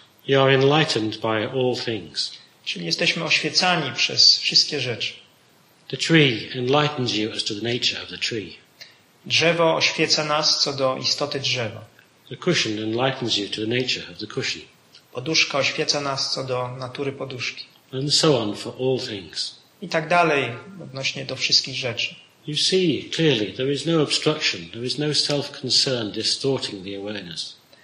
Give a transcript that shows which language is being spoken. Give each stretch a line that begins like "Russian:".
English: You are enlightened by all things.
Polish: Czyli jesteśmy oświecani przez wszystkie rzeczy.
English: The tree enlightens you as to the nature of the tree.
Polish: Drzewo oświeca nas co do istoty drzewa.
English: The cushion enlightens you to the nature of the cushion.
Polish: Poduszka oświeca nas co do natury poduszki.
English: And so on for all things.
Polish: I tak dalej odnośnie do wszystkich rzeczy.
English: You see clearly there is no obstruction, there is no self-concern distorting the awareness.